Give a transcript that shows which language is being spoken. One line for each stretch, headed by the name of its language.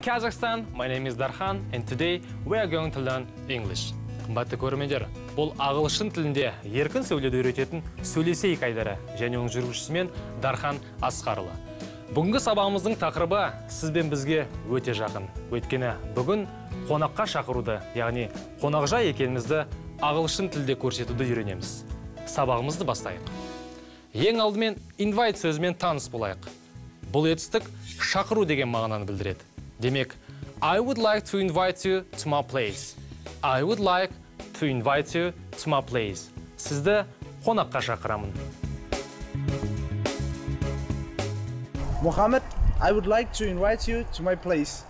English: Kazakhstan, my name is Darhan and today we are going to learn English.
Kazakh: Қымбатты көрермендер, бұл ағылшын тілінде еркін сөйлеуді үйрететін сөйлесейік айдары және оның жүргізушісі мен Дархан Асқарұлы. Бүгінгі сабағымыздың тақырыбы сіз бен бізге өте жақын. Өйткені бүгін қонаққа шақыруды, яғни қонақжай екенімізді ағылшын тілде көрсетуді үйренеміз. Сабағымызды бастайық. Ең алдымен invite сөзімен таныс болайық. Бұл етістік шақыру деген мағынаны білдіреді.
English: Демек, I would like to invite you to my place. I would like to invite you to my place.
Kazakh: Сізді қонаққа шақырамын.
English: Мухаммед, I would like to invite you to my place.